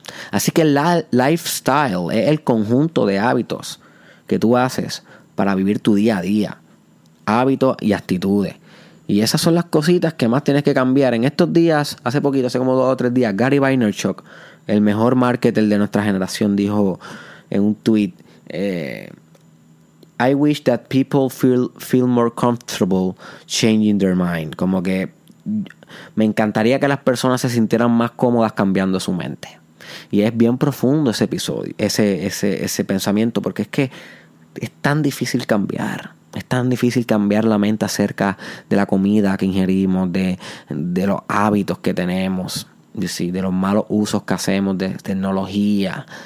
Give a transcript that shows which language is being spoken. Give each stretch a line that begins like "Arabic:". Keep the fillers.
Spanish: Así que el lifestyle es el conjunto de hábitos que tú haces para vivir tu día a día, hábitos y actitudes. Y esas son las cositas que más tienes que cambiar. En estos días, hace poquito, hace como dos o tres días, Gary Vaynerchuk, el mejor marketer de nuestra generación, dijo en un tweet.
English: Eh, I wish that people feel, feel more comfortable changing their mind.
Spanish: Como que me encantaría que las personas se sintieran más cómodas cambiando su mente. Y es bien profundo ese episodio, ese, ese, ese pensamiento, porque es que es tan difícil cambiar. Es tan difícil cambiar la mente acerca de la comida que ingerimos, de, de los hábitos que tenemos, de, de los malos usos que hacemos, de, de tecnología.